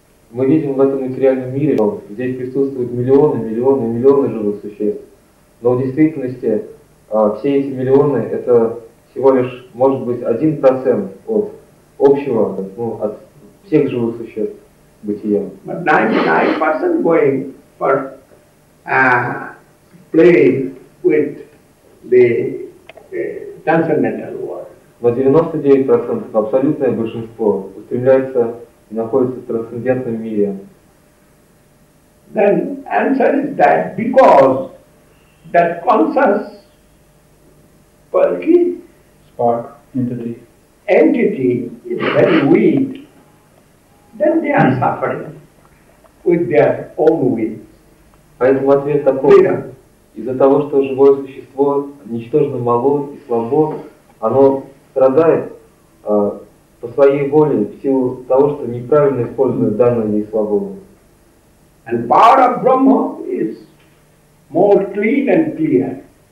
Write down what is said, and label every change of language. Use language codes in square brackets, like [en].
[ru] мы видим в этом материальном мире, здесь присутствуют миллионы, миллионы, миллионы живых существ. Но в действительности все эти миллионы — это всего лишь, может быть, 1% от общего, ну, от всех живых существ бытия. [en] But 99% going for playing with the transcendental world. [ru] Но 99% — абсолютное большинство стремляется и находится в трансцендентном мире. [en] Then answer is that because that conscious sparky spark entity entity is very weak, then they are suffering with their own will. [ru] Поэтому ответ такой. из-за того, что живое существо ничтожно мало и слабо, оно страдает по своей воле в силу того, что неправильно использует данное ей свободу. [en] And Bhara Brahma is more clean and clear.